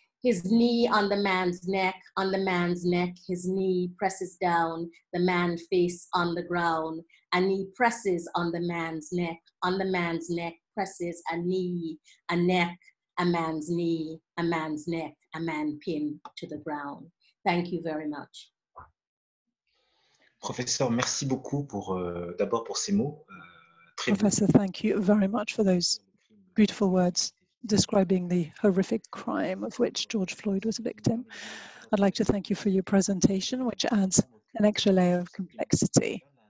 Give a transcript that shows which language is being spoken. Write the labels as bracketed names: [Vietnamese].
[English] His knee on the man's neck, his knee presses down, the man face on the ground, a knee presses on the man's neck, presses a knee, a man's knee, a man pinned to the ground. Thank you very much. [French] Professor, merci beaucoup pour d'abord pour ces mots. [English] Professor, thank you very much for those beautiful words describing the horrific crime of which George Floyd was a victim. I'd like to thank you for your presentation, which adds an extra layer of complexity.